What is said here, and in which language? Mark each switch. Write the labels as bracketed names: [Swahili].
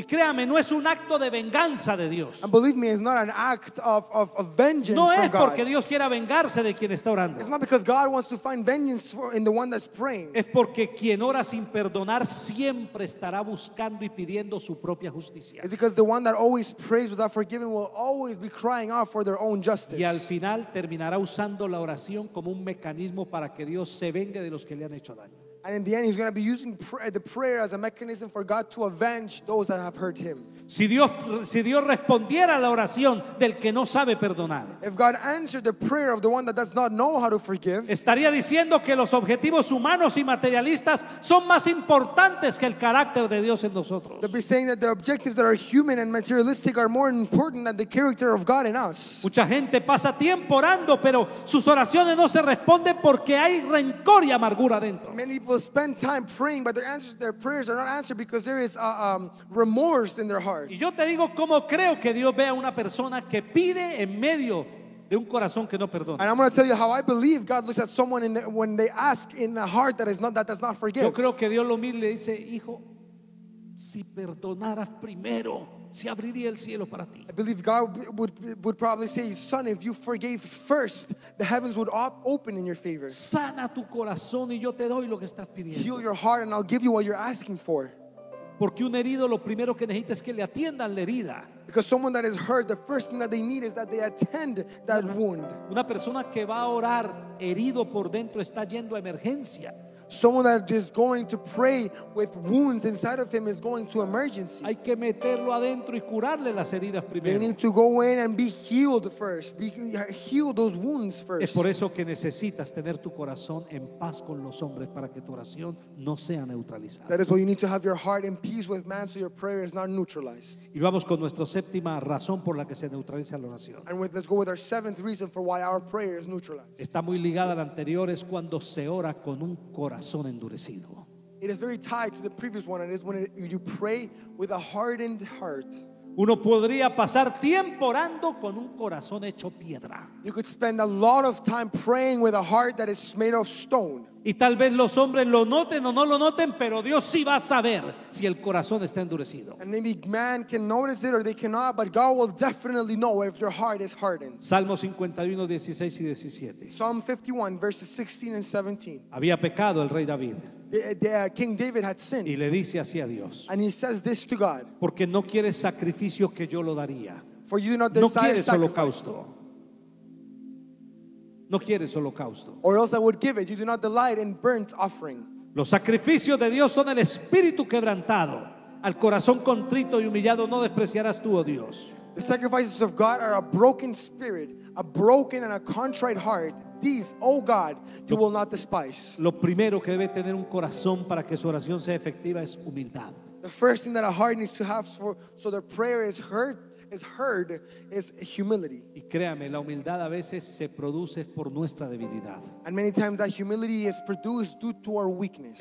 [Spanish] Y créame, no es un acto de venganza de Dios. [English] And believe me, it's not an act of vengeance from God. [Spanish] No es porque Dios quiera vengarse de quien está orando. [English] It's not because God wants to find vengeance in the one that's praying. [Spanish] Es porque quien ora sin perdonar siempre estará buscando y pidiendo su propia justicia. [English] It's because the one that always prays without forgiving will always be crying out for their own justice. [Spanish] Y al final terminará usando la oración como un mecanismo para que Dios se vengue de los que le han hecho daño. [English] And in the end, he's going to be using the prayer as a mechanism for God to avenge those that have hurt him. [Spanish] Si Dios respondiera la oración del que no sabe perdonar, [English] if God answered the prayer of the one that does not know how to forgive, [Spanish] estaría diciendo que los objetivos humanos y materialistas son más importantes que el carácter de Dios en nosotros. [English] They'd be saying that the objectives that are human and materialistic are more important than the character of God in us. [Spanish] Mucha gente pasa tiempo orando, pero sus oraciones no se responden porque hay rencor y amargura dentro. [English] People spend time praying, but their prayers are not answered because there is remorse in their heart. [Spanish] Y yo te digo cómo creo que Dios ve a una persona que pide en medio de un corazón que no perdona. [English] And I'm going to tell you how I believe God looks at someone when they ask in a heart that does not forgive. [Spanish] Yo creo que Dios lo mira y le dice, hijo, si perdonaras primero, se abriría el cielo para ti. [English] I believe God would probably say, son, if you forgave first, the heavens would open in your favor. [Spanish] Sana tu corazón y yo te doy lo que estás pidiendo. [English] Heal your heart and I'll give you what you're asking for. [Spanish] Porque un herido lo primero que necesita es que le atiendan la herida. [English] Because someone that is hurt, the first thing that they need is that they attend that wound. [Spanish] Una persona que va a orar herido por dentro está yendo a emergencia. [English] Someone that is going to pray with wounds inside of him is going to emergency. [Spanish] Hay que meterlo adentro y curarle las heridas primero. [English] They need to go in and be healed first. Heal those wounds first. [Spanish] Es por eso que necesitas tener tu corazón en paz con los hombres para que tu oración no sea neutralizada. [English] That is why you need to have your heart in peace with man so your prayer is not neutralized. [Spanish] Y vamos con nuestra séptima razón por la que se neutraliza la oración. [English] And let's go with our seventh reason for why our prayer is neutralized. [Spanish] Está muy ligada a la anterior, es cuando se ora con un corazón endurecido. [English] It is very tied to the previous one. It is when you pray with a hardened heart. [Spanish] Uno podría pasar tiempo orando con un corazón hecho piedra. [English] You could spend a lot of time praying with a heart that is made of stone. [Spanish] Y tal vez los hombres lo noten o no lo noten, pero Dios sí va a saber si el corazón está endurecido. [English] And maybe man can notice it or they cannot, but God will definitely know if their heart is hardened. [Spanish] Salmo 51, 16 y 17. [English] Psalm 51, verses 16 and 17. [Spanish] Había pecado el rey David. [English] King David had sinned. [Spanish] Y le dice así a Dios. [English] And he says this to God. [Spanish] Porque no quieres sacrificio que yo lo daría. [English] For you do not desire [Spanish] no quieres [English] sacrifice. [Spanish] Holocausto. No quieres holocausto. [English] Or else I would give it. You do not delight in burnt offering. [Spanish] Los sacrificios de Dios son el espíritu quebrantado. Al corazón contrito y humillado no despreciarás tú, oh Dios. [English] The sacrifices of God are a broken spirit, a broken and a contrite heart. These, oh God, you will not despise. [Spanish] Lo primero que debe tener un corazón para que su oración sea efectiva es humildad. [English] The first thing that a heart needs to have for, so their prayer is heard, is humility. [Spanish] Y créame, la humildad a veces se produce por nuestra debilidad. [English] And many times that humility is produced due to our weakness.